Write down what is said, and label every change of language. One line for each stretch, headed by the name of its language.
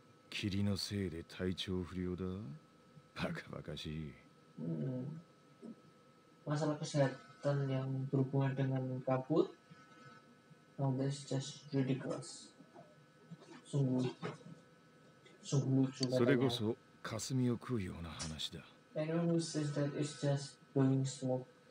Japanese: 霧のせいで体調不良だ。バカバカしい。
Indonesian: Masalah kesehatan yang berhubungan dengan kabut.
English: Now this is just ridiculous.
Indonesian: Sungguh lucu.
Japanese: それこそ霞を食うような話だ。
English: Anyone who says that is just blowing smoke.